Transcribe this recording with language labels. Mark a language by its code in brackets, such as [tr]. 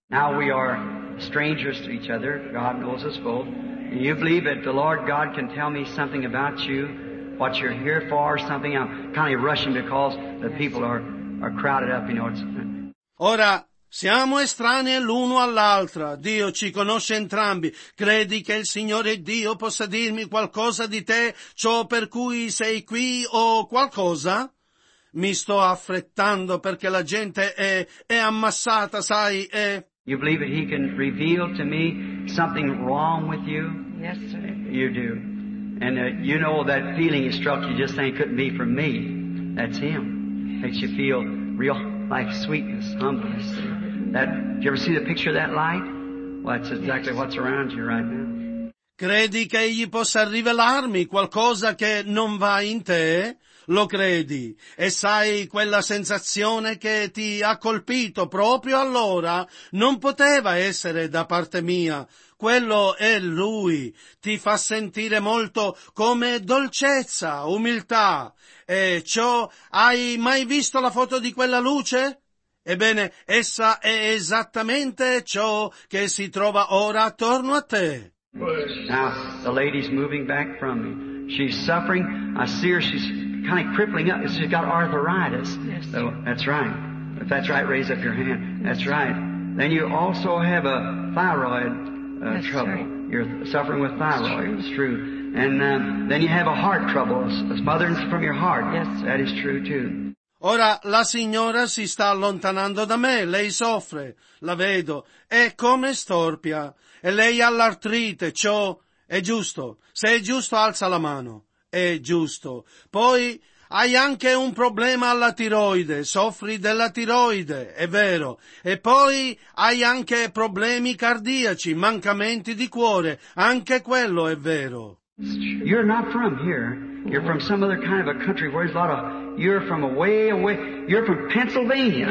[en] Now we are strangers to each other. God knows us both. And you believe that the Lord God can tell me something about you, what you're here for, something. I'm kind of rushing because the people are crowded up, you know. [it] Ora, siamo estranei l'uno all'altra. Dio ci conosce entrambi. Credi che il Signore Dio possa dirmi qualcosa di te, ciò per cui sei qui o qualcosa? Mi sto affrettando perché la gente è ammassata, sai, e... [en] You believe that he can reveal to me something wrong with you? Yes, sir. You do. And you know that feeling he struck you just saying it couldn't be for me. That's him. Makes you feel real... Like sweetness, humbleness. That, did you ever see the picture of that light? Well, that's exactly what's around you right now. [it] Credi che egli possa rivelarmi qualcosa che non va in te? Lo credi? E sai quella sensazione che ti ha colpito proprio allora? Non poteva essere da parte mia. Quello è lui. Ti fa sentire molto come dolcezza, umiltà. E ciò, hai mai visto la foto di quella luce? Ebbene, essa è esattamente ciò che si trova ora attorno a te. [en] Now, the lady's moving back from me. She's suffering. I see her. She's kind of crippling up. She's got arthritis. Yes. So, that's right. If that's right, raise up your hand. That's right. Then you also have a thyroid trouble. Right. You're suffering with thyroid. It's true. And then you have a heart trouble. A smothering from your heart. Yes. That is true too. [it] Ora la signora si sta allontanando da me, lei soffre, la vedo, è come storpia, e lei ha l'artrite, ciò è giusto, se è giusto alza la mano, è giusto, poi hai anche un problema alla tiroide, soffri della tiroide, è vero, e poi hai anche problemi cardiaci, mancamenti di cuore, anche quello è vero. [en] You're not from here. You're from some other kind of a country where there's a lot of... You're from away, away... You're from Pennsylvania.